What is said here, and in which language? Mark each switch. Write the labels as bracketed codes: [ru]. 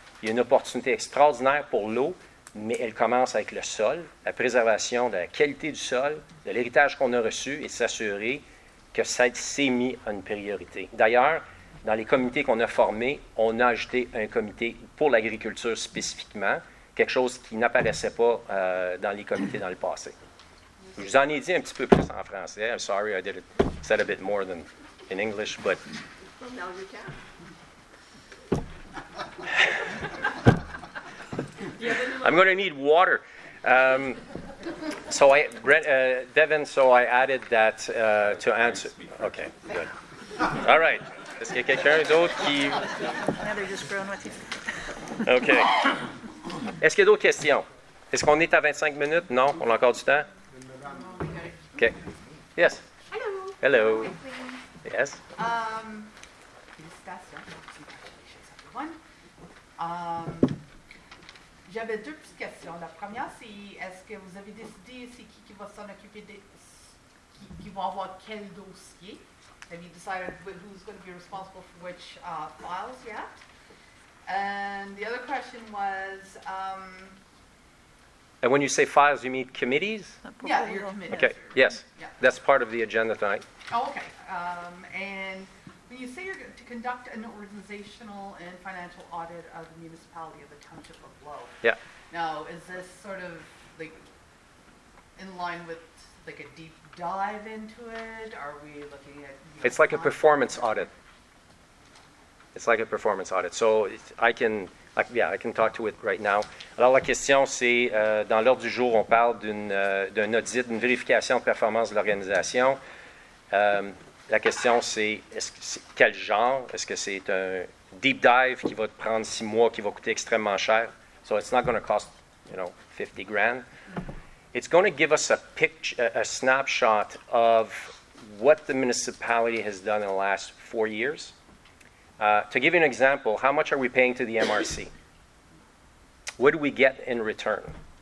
[fr] Il y a une opportunité extraordinaire pour l'eau, mais elle commence avec le sol, la préservation de la qualité du sol, de l'héritage qu'on a reçu et de s'assurer que ça s'est mis à une priorité. D'ailleurs, dans les comités qu'on a formés, on a ajouté un comité pour l'agriculture spécifiquement, quelque chose qui n'apparaissait pas dans les comités dans le passé. Je vous en ai dit un petit peu plus en français. [en] I'm sorry, I did it, said a bit more than in English, but... I'm going to need water. Devin, so I added that to answer. Okay, good. All right. [fr] Est-ce qu'il y a quelqu'un d'autre qui... [en] Yeah, they're just growing with you. [fr] Okay. Est-ce qu'il y a d'autres questions? Est-ce qu'on est à 25 minutes? Non? On a encore du temps? [en] Okay. Yes. Hello. Hello. Yes. [fr] J'avais deux petites questions. La première, c'est est-ce que vous avez décidé c'est qui va s'en occuper de qui va avoir quel dossier? [en] Have you decided who's going to be responsible for which files yet? And the other question was. And when you say files, you mean committees? Yeah, your committees. Okay. Yes. Yeah. That's part of the agenda tonight. Oh, okay. And when you say you're going to conduct an organizational and financial audit of the municipality of the Township of Lowe. Yeah. Now, is this sort of like in line with like a deep dive into it? Are we looking at? It's like a performance audit. It's like a performance audit. So I can talk to it right now. [fr] Alors, la question, c'est, dans l'ordre du jour, on parle d'un audit, d'une vérification de performance de l'organisation. La question, c'est, quel genre? Est-ce que c'est un deep dive qui va te prendre 6 mois, qui va coûter extrêmement cher? [en] So it's not going to cost, you know, 50 grand. It's going to give us a snapshot of what the municipality has done in the last 4 years. To give you an example, how much are we paying to the MRC? What do we get in return?